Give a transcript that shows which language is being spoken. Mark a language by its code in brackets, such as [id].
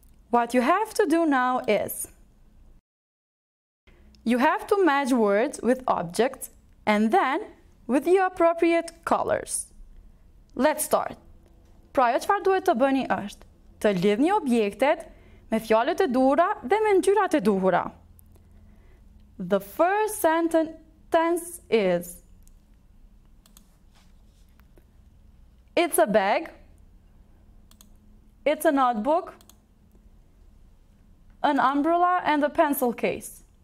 [en] What you have to do now is, you have to match words with objects and then with the appropriate colors. Let's start. [sq] Pra, çfarë duhet të bëni është të lidhni objektet me fjalët e duhura dhe me ngjyrat e duhura. [en] The first sentence is, it's a bag, it's a notebook, an umbrella and a pencil case.